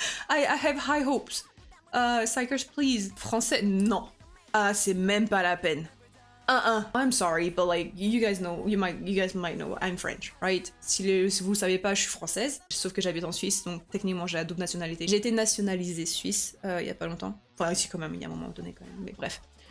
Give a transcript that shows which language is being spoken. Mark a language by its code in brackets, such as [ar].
[en] I have high hopes. [fr] XIKERS, please. Français, non. Ah, c'est même pas la peine. [en] I'm sorry, but like, you guys know, you guys might know, I'm French, right? [fr] Si vous savez pas, je suis française, sauf que j'habite en Suisse, donc techniquement j'ai la double nationalité. J'ai été nationalisée suisse il y a pas longtemps. Enfin, ici quand même, il y a un moment donné quand même, mais bref.